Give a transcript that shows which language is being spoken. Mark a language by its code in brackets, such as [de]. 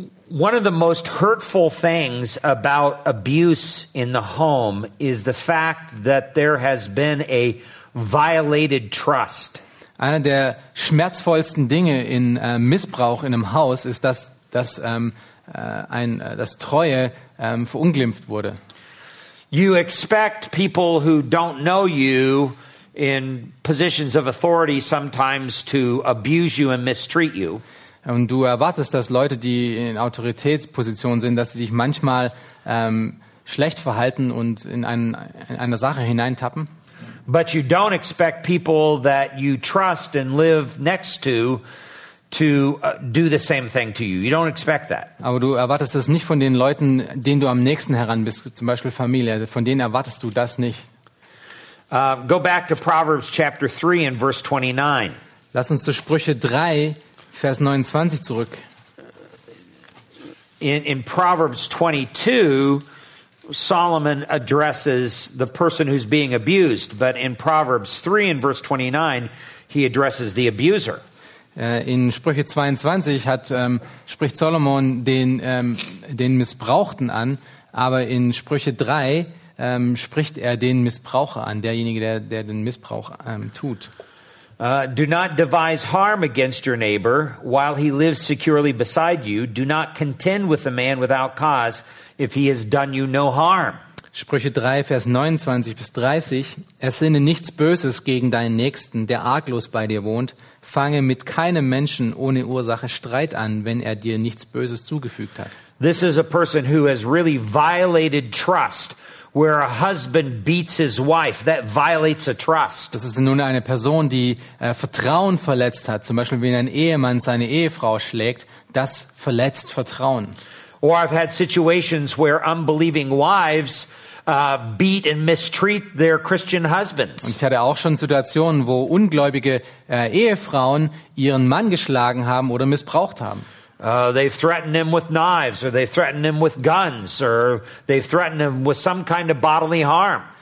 [en] One of the most hurtful things about abuse in the home is the fact that there has been a violated trust. [de] Einer der schmerzvollsten Dinge in Missbrauch in einem Haus ist, dass Treue verunglimpft wurde. [en] You expect people who don't know you in positions of authority sometimes to abuse you and mistreat you. [de] Und du erwartest, dass Leute, die in Autoritätspositionen sind, dass sie sich manchmal schlecht verhalten und in eine Sache hineintappen. [en] But you don't expect people that you trust and live next to do the same thing to you. You don't expect that. [de] Aber du erwartest das nicht von den Leuten, denen du am nächsten heran bist, zum Beispiel Familie. Von denen erwartest du das nicht. [en] Go back to Proverbs chapter 3 and verse 29. [de] Lass uns zu Sprüche 3 Vers 29 zurück. [en] In Proverbs 22, Solomon addresses the person who's being abused, but in Proverbs 3 and verse 29, he addresses the abuser. [de] In Sprüche 22 spricht Solomon den Missbrauchten an, aber in Sprüche 3 spricht er den Missbraucher an, derjenige, der den Missbrauch tut. [en] Do not devise harm against your neighbor while he lives securely beside you. Do not contend with a man without cause if he has done you no harm. [de] Sprüche 3, Vers 29 bis 30. Ersinne nichts Böses gegen deinen Nächsten, der arglos bei dir wohnt. Fange mit keinem Menschen ohne Ursache Streit an, wenn er dir nichts Böses zugefügt hat. [en] This is a person who has really violated trust. Where a husband beats his wife, that violates a trust. [de] Das ist nun eine Person, die Vertrauen verletzt hat. Zum Beispiel, wenn ein Ehemann seine Ehefrau schlägt, das verletzt Vertrauen. [en] Or I've had situations where unbelieving wives beat and mistreat their Christian husbands. [de] Und ich hatte auch schon Situationen, wo ungläubige Ehefrauen ihren Mann geschlagen haben oder missbraucht haben. [en] They've threatened him with knives, or they've threatened him with guns, or they've threatened him with some kind of bodily harm.